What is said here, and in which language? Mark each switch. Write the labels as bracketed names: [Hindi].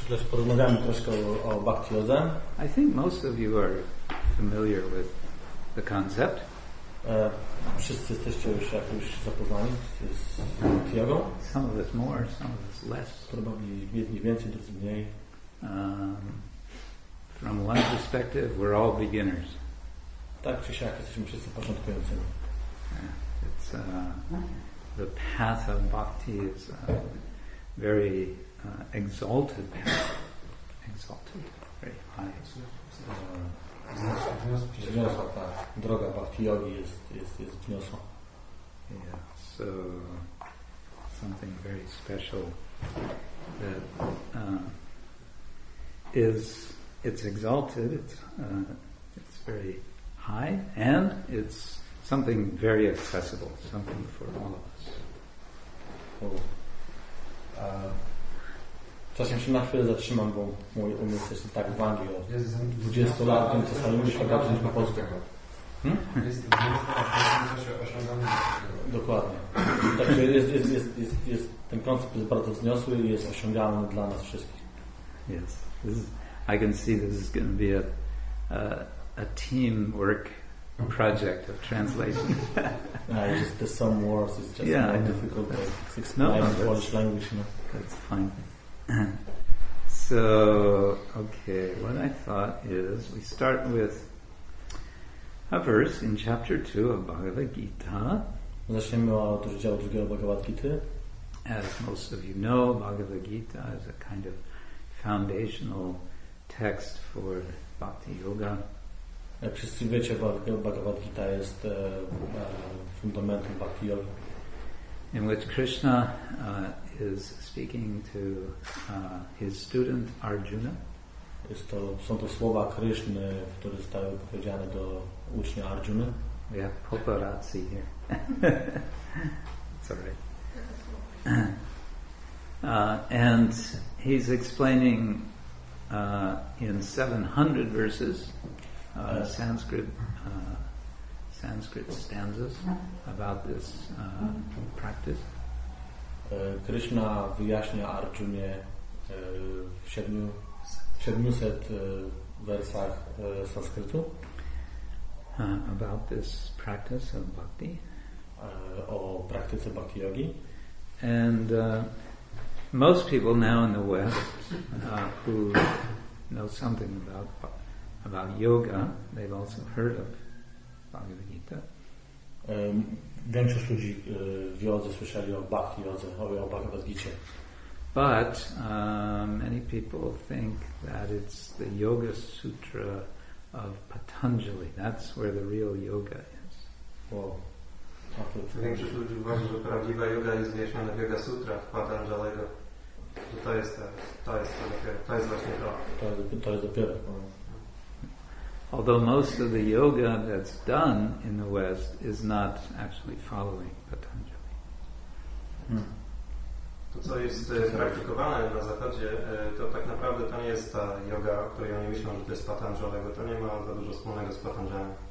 [Polish] porozmawiamy troszkę o bhakti yodze. [English] I think most of you are familiar with the concept. [Polish] Wszyscy jesteście już jakoś zapoznani z bhakti yogą. [English] Some of us more, some of us less. [Polish] Probabilnie więcej, drudzy mniej. [English] From one perspective, we're all beginners. [Polish] Tak czy siak, jesteśmy wszyscy początkującymi. [English] It's the path of bhakti is very exalted, exalted, very high. [Polish] Wzniosła, ta droga bhakti yogi jest wzniosła. [English] Yeah, so something very special that it's exalted, it's very high, and it's something very accessible, something for all of us. [Polish] Czasem się na chwilę zatrzymam, bo mój umysł jest tak w Anglii od 20 lat, więc czasami muszę pogadać po polsku. Jest 20 lat, więc to się osiąga. Dokładnie. Także jest, ten koncept jest bardzo wzniosły i jest osiągalny dla nas wszystkich. [English] Yes. I can see this is going to be a teamwork project of translation. Just the some words is just yeah, more difficult to explain in Polish language. You know? That's fine. So, okay, what I thought is we start with a verse in chapter 2 of Bhagavad Gita. [Polish] Zaczniemy od rozdziału drugiego Bhagavad Gita. [English] As most of you know, Bhagavad Gita is a kind of foundational text for Bhakti Yoga. [Polish] Jak wszyscy wiecie, Bhagavad Gita jest fundamentem Bhakti Yoga. [English] In which Krishna is speaking to his student Arjuna. [Polish] Są to słowa Kryszny, które zostały powiedziane do ucznia Arjuny. [English] We have paparazzi here. Sorry. And he's explaining in 700 verses Sanskrit stanzas about this practice. [Polish] Krishna wyjaśnia Arjunie w 700 wersach sanskrytu [English] about this practice of bhakti, [Polish] o praktyce bhakti yogi. [English] And most people now in the West who know something about yoga, they've also heard of Bhagavad Gita. [Polish] Większość ludzi w jodze słyszeli o Bhakti Yodze, o Bhagavad Gita. [English] But many people think that it's the Yoga Sutra of Patanjali. That's where the real yoga is. Wow. [Polish] Większość ludzi uważa, że prawdziwa yoga jest wyjaśniona w Yoga Sutra Patanjalego. To jest właśnie to. [English] Although most of the yoga that's done in the West is not actually following Patanjali. [Polish] To, co jest praktykowane na Zachodzie, to tak naprawdę to nie jest ta yoga, o której oni myślą, że to jest Patanjali, bo to nie ma za dużo wspólnego z Patanjali.